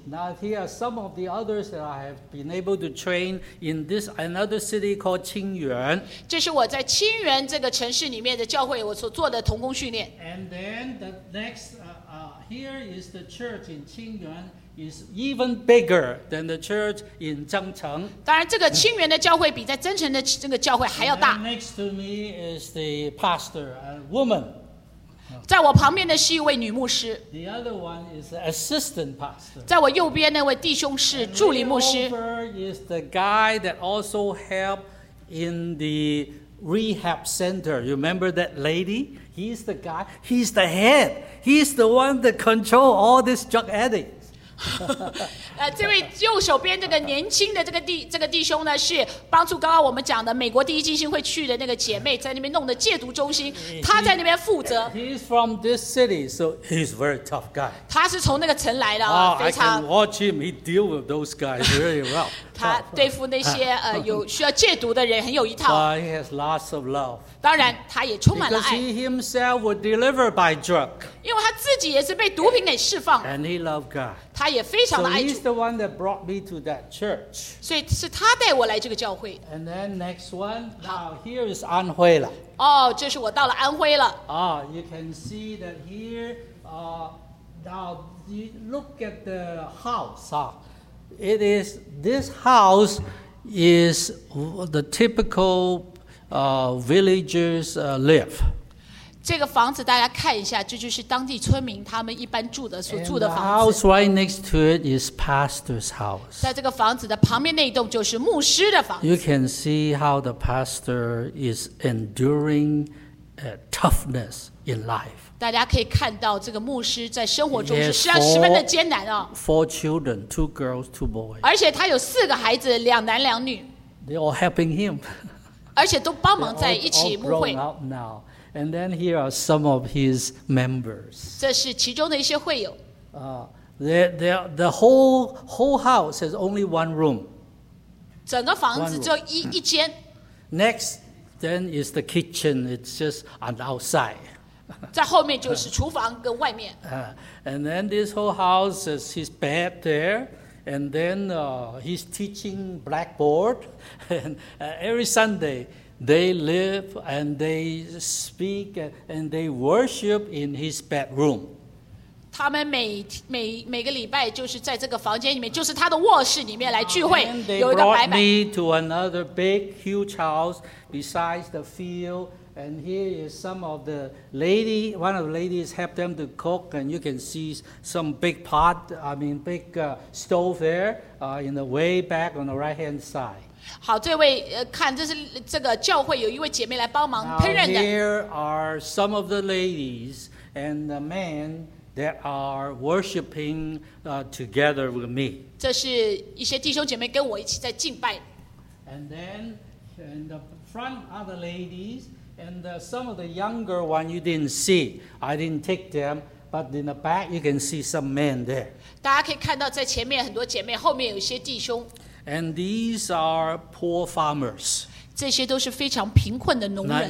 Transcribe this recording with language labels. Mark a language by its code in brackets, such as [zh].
[en] Now here are some of the others that I have been able to train in this another city called Qingyuan. [zh] 这是我在清源这个城市里面的教会我所做的同工训练。 [en] And then the next, here is the church in Qingyuan is even bigger than the church in Zhengcheng. [zh] 当然，这个清源的教会比在增城的这个教会还要大。 [en] Next to me is the pastor, a woman. [zh] 在我旁边的是一位女牧师。 [en] The other one is the assistant pastor. [zh] 在我右边那位弟兄是助理牧师。 [en] And over is the guy that also helped in the rehab center. You remember that lady? He's the guy, he's the head, he's the one that controls all these drug addicts. [zh] 这位右手边这个年轻的这个弟兄呢，是帮助刚刚我们讲的美国第一基金会去的那个姐妹，在那边弄的戒毒中心，他在那边负责。 [en] He's from this city, so he's a very tough guy. [zh] 他是从那个城来的啊，非常。 [en] I can watch him, he deals with those guys very well. [zh] 他对付那些有需要戒毒的人很有一套。 [en] He has lots of love. [zh] 当然，他也充满了爱。 [en] Because he himself was delivered by drug. [zh] 因为他自己也是被毒品给释放。 [en] And he loved God. [zh] 他也非常的爱主。 [en] So he's the one that brought me to that church. [zh] 所以是他带我来这个教会。 [en] And then next one. Now here is Anhui 了。 [zh] 哦，这是我到了安徽了。 [en] You can see that here. Now you look at the house. It is this house is the typical. Villagers live. [zh] 这个房子大家看一下，这就是当地村民他们一般住的所住的房子。 [en] And the house right next to it is pastor's house. [zh] 在这个房子的旁边那一栋就是牧师的房子。 [en] You can see how the pastor is enduring toughness in life. [zh] 大家可以看到这个牧师在生活中是十分的艰难啊。 [en] Four children, two girls, two boys. [zh] 而且他有四个孩子，两男两女。 [en] They're all helping him. 而且都帮忙在一起牧会。 They're all grown up now. And then here are some of his members. [zh] 这是其中的一些会友。 [en] The whole house has only one room. [zh] 整个房子就一间。 [en] Next, then is the kitchen. It's just on the outside. [zh] 在后面就是厨房跟外面。 [en] And then this whole house is his bed there. And then he's teaching blackboard. And every Sunday, they live and they speak and they worship in his bedroom. [zh] 他们每个礼拜就是在这个房间里面，就是他的卧室里面来聚会，有一个白板。 [en] And they brought me to another big, huge house besides the field. And here is some of the lady. One of the ladies helped them to cook, and you can see some big pot. I mean, big stove there, in the way back on the right hand side. [zh] 好，这位看，这是这个教会有一位姐妹来帮忙烹饪的。 [en] Now here are some of the ladies and the men. They are worshiping together with me. [zh] 这是一些弟兄姐妹跟我一起在敬拜。 [en] And then in the front are the ladies, and some of the younger ones you didn't see. I didn't take them, but in the back you can see some men there. [zh] 大家可以看到在前面很多姐妹，后面有一些弟兄。 [en] And these are poor farmers. [zh] 这些都是非常贫困的农人。